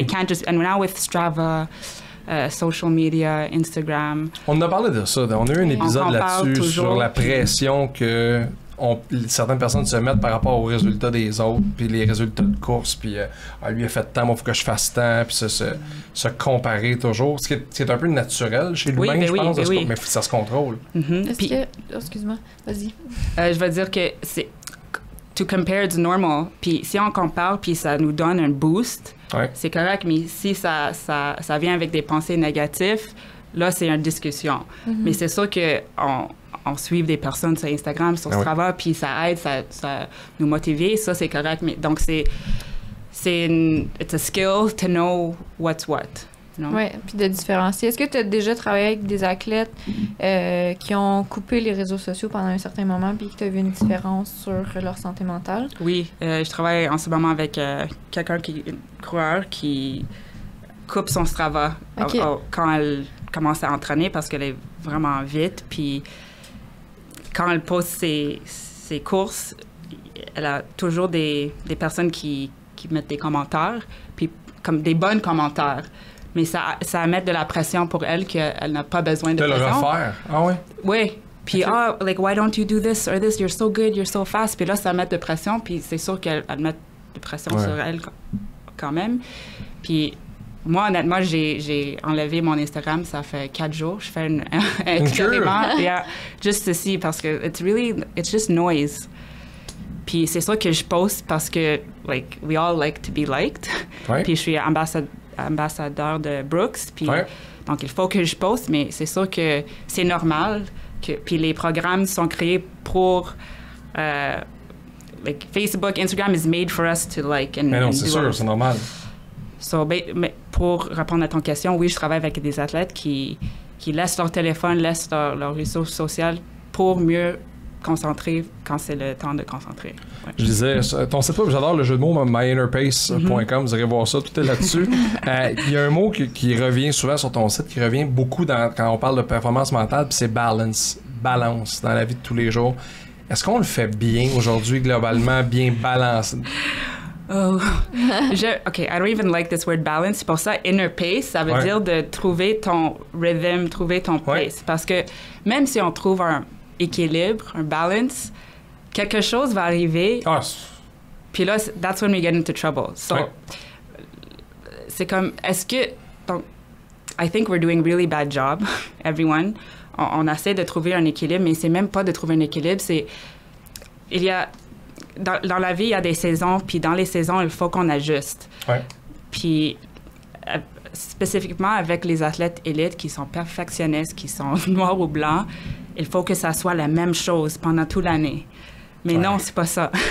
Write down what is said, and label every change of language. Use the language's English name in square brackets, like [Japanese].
[English] it can't just, and now with Strava, social media, Instagram. [French] On a parlé de ça, on a eu un épisode là-dessus toujours, sur la pression que certaines personnes se mettent par rapport aux résultats des autres, puis les résultats de course, puis lui a fait tant, moi, faut que je fasse tant, puis se comparer toujours. Ce qui est un peu naturel chez lui-même, oui, je oui, pense, oui. mais ça se contrôle. Mm-hmm. Puis, excuse-moi, vas-y. Je vais dire que c'est to compare to normal, puis si on compare, puis ça nous donne un boost, ouais. c'est correct, mais si ça vient avec des pensées négatives, là, c'est une discussion. Mm-hmm. Mais c'est sûr qu'on suive des personnes sur Instagram, sur Strava, ah oui. puis ça aide, ça nous motive, ça c'est correct. [English] Mais donc it's a skill to know what's what. You know? [French] Oui, puis de différencier. Est-ce que tu as déjà travaillé avec des athlètes qui ont coupé les réseaux sociaux pendant un certain moment, puis que tu as vu une différence sur leur santé mentale? Oui, je travaille en ce moment avec quelqu'un qui coureur qui coupe son Strava okay. Quand elle commence à entraîner parce qu'elle est vraiment vite, puis quand elle pose ses courses, elle a toujours des personnes qui mettent des commentaires, puis comme des bons commentaires. Mais ça met de la pression pour elle qu'elle n'a pas besoin de pression. De le refaire, ah oui? Oui. Puis, ah, okay. [English] Like, why don't you do this or this? You're so good, you're so fast. [French] Puis là, ça met de pression, puis c'est sûr qu'elle met de pression ouais. sur elle quand même. Puis moi, honnêtement, j'ai enlevé mon Instagram, ça fait 4 jours. Je fais un expériment. [English] Yeah, just to see, parce que it's just noise. [French] Puis c'est sûr que je poste parce que, like, we all like to be liked. Ouais. Puis je suis ambassadeur de Brooks. Puis ouais. Donc, il faut que je poste, mais c'est sûr que c'est normal. [English] Puis les programmes sont créés pour... like Facebook, Instagram is made for us to like... [French] And, mais non, c'est sûr, c'est normal. So, mais pour répondre à ton question, oui, je travaille avec des athlètes qui laissent leur téléphone, laissent leur réseau social pour mieux concentrer quand c'est le temps de concentrer. Ouais. Je disais, ton site web, j'adore le jeu de mots, myinnerpace.com, mm-hmm. vous irez voir ça, tout est là-dessus. Il y a un mot qui revient souvent sur ton site, qui revient beaucoup dans, quand on parle de performance mentale, puis c'est balance dans la vie de tous les jours. Est-ce qu'on le fait bien aujourd'hui, globalement, bien balancé? [English] Oh, I don't even like this word balance. [French] C'est pour ça, inner pace, ça veut dire de trouver ton rhythm, trouver ton pace. Parce que même si on trouve un équilibre, un balance, quelque chose va arriver. [English] Puis là, that's when we get into trouble. So, c'est comme, est-ce que, donc, I think we're doing really bad job, everyone. [French] On essaie de trouver un équilibre, mais c'est même pas de trouver un équilibre, c'est, il y a, dans la vie, il y a des saisons, puis dans les saisons, il faut qu'on ajuste. Puis, spécifiquement avec les athlètes élites qui sont perfectionnistes, qui sont noirs ou blancs, il faut que ça soit la même chose pendant toute l'année. Mais non, c'est pas ça.